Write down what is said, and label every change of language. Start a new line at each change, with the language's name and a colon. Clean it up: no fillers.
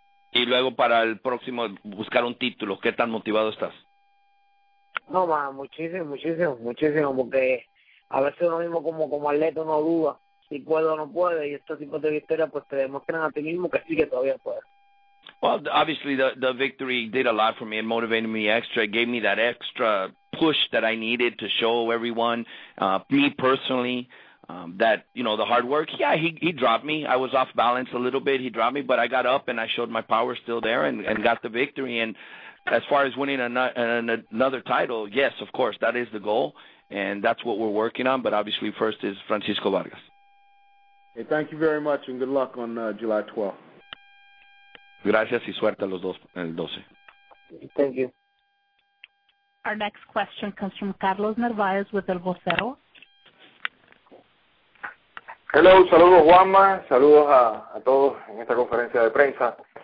Spanish: Y luego para el próximo, buscar un título. ¿Qué tan motivado estás? No, man, muchísimo, porque a veces uno mismo como atleta no duda si puedo o no puedo, y estos tipos de victorias pues te demuestran a ti mismo que sí, que todavía puedes.
English: Well, obviously the victory did a lot for me. It motivated me extra. It gave me that extra push that I needed to show everyone, me personally, that, you know, the hard work. Yeah, he dropped me. I was off balance a little bit. He dropped me, but I got up and I showed my power still there and got the victory. And as far as winning another title, yes, of course, that is the goal. And that's what we're working on. But obviously first is Francisco Vargas. Hey, thank you very much and good luck on July 12th.
Spanish: Gracias y suerte a los dos el 12.
English: Thank you. Our next question comes from Carlos Narvaez with El Vocero.
Spanish: Hello, saludos Juanma, saludos a todos en esta conferencia de prensa.